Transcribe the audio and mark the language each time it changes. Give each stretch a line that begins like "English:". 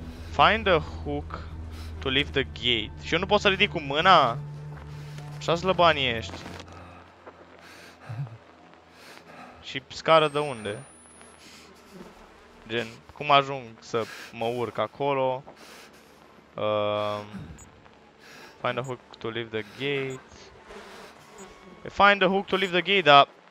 English: Find a hook to lift the gate.
Romanian: Și eu nu pot să ridic cu mâna? Așa slăbanii ești. Și scară de unde? Gen, cum ajung să mă urc acolo?
English: Find a hook to lift the gate. Find a hook to lift the gate, dar...